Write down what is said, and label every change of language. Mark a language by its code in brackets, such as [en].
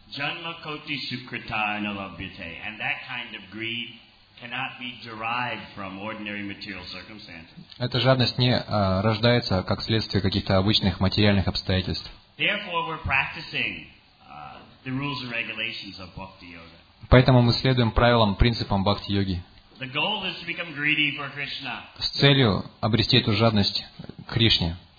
[en] And that kind of greed cannot be derived from ordinary material circumstances. [ru] Эта жадность не рождается как следствие каких-то обычных материальных обстоятельств. [en] Therefore, we're practicing the rules and regulations of bhakti yoga. [ru] Поэтому мы следуем правилам, принципам бхакти йоги. [en] The goal is to become greedy for Krishna. [ru] С целью обрести эту жадность к Кришне.